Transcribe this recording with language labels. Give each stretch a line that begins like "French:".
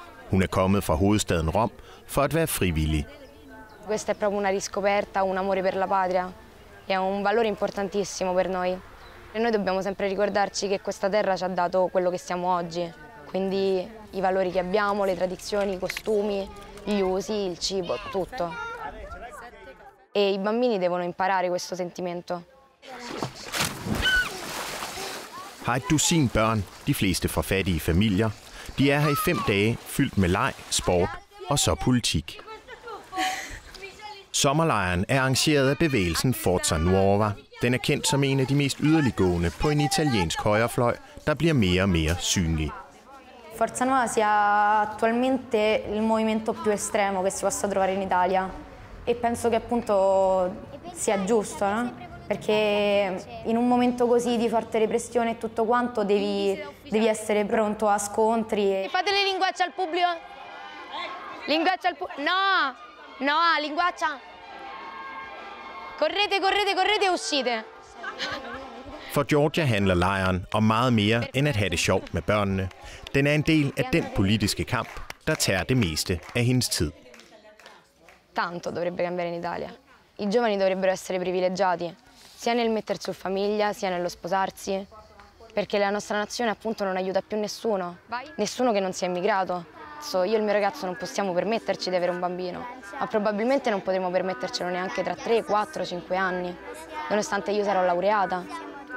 Danish: Hun er kommet fra hovedstaden Rom for at være frivillig.
Italian: Questa è proprio una riscoperta, un amore per la patria. È un valore importantissimo per noi. E noi dobbiamo sempre ricordarci che questa terra ci ha dato quello che siamo oggi. Quindi i valori che abbiamo, le tradizioni, i costumi, gli usi, il cibo, tutto. E i bambini devono imparare questo sentimento.
Danish: Har et dusin børn, de fleste fra fattige familier. De er her i 5 dage, fyldt med leg, sport og så politik. Sommerlejren er arrangeret af bevægelsen Forza Nuova. Den er kendt som en af de mest yderliggående på en italiensk højrefløj, der bliver mere og mere synlig.
Italian: Forza Nuova sia attualmente il movimento più estremo che si possa trovare in Italia e penso che appunto sia giusto, no? Perché in un momento così di forte repressione e tutto quanto devi essere pronto a scontri. E fate le linguacce al pubblico. Linguaccia al pubblico. No! No, linguaccia! Correte, correte, correte e uscite!
Danish: For Giorgia handler lejren om meget mere end at have det sjovt med børnene. Den er en del af den politiske kamp, der tager det meste af hendes tid.
Italian: Tanto dovrebbe cambiare in Italia. I giovani dovrebbero essere privilegiati, sia nel mettersi su famiglia, sia nello sposarsi, perché la nostra nazione appunto non aiuta più nessuno, nessuno che non sia immigrato. Io e il mio ragazzo non possiamo permetterci di avere un bambino, ma probabilmente non potremo permettercelo neanche tra 3, 4, 5 anni, nonostante io sarò laureata.